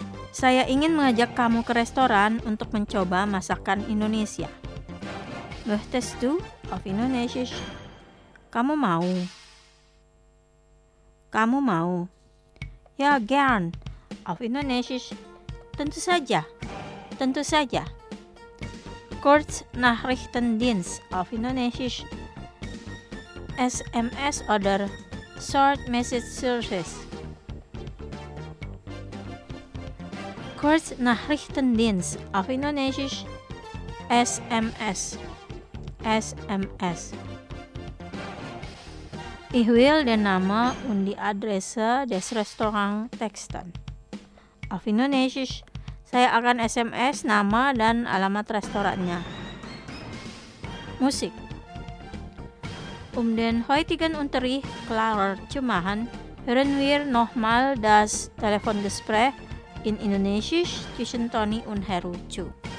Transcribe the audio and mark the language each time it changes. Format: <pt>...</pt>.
<id>Saya ingin mengajak kamu ke restoran untuk mencoba masakan Indonesia.</id> <de>Möchtest du auf Indonesisch?</de> <id>Kamu mau? Kamu mau? Ya,</id> <de>gern. Auf Indonesisch.</de> <id>Tentu saja. Tentu saja.</id> <de>Kurz Nachrichtendienst auf Indonesisch. SMS oder Short Message Service. Kurz Nachrichtendienst auf Indonesisch. SMS. SMS. Ich will den Namen und die Adresse des Restaurants texten. Auf Indonesisch,</de> <id>saya akan SMS nama dan alamat restorannya. Musik.</id> <de>Den heutigen Unterricht klarer zu machen, hören wir nochmal das Telefongespräch in Indonesisch zwischen Tony und Heru Chu.</de>